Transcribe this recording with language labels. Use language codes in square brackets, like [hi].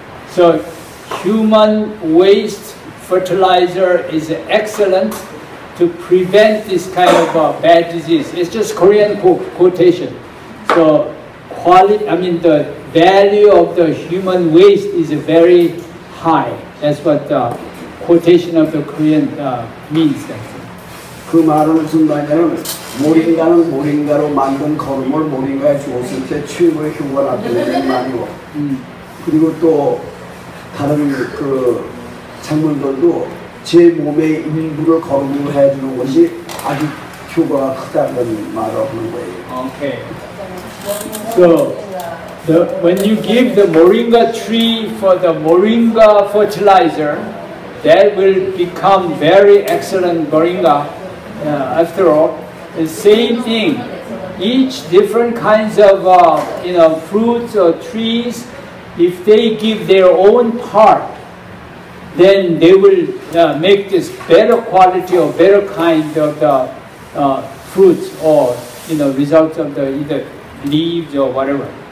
[en] So human waste fertilizer is excellent to prevent this kind of bad disease. It's just Korean quotation. So the value of the human waste is very high. That's what quotation of the Korean means. [ko] 그 말은 무슨 말이냐면 모링가는 모링가로 만든 거름을 모링가에 주었을 때 최고의 효과가 나타나는 말이고 그리고 또 다른 그 작물들도 제 몸의 일부를 거름으로 해주는 것이 아주 효과가 크다는 말을 하는 거예요. [en] Okay. So when you give the moringa tree for the moringa fertilizer, that will become very excellent moringa. After all, the same thing. Each different kinds of fruits or trees, if they give their own part, then they will make this better quality or better kind of the fruits or results of the either leaves or whatever.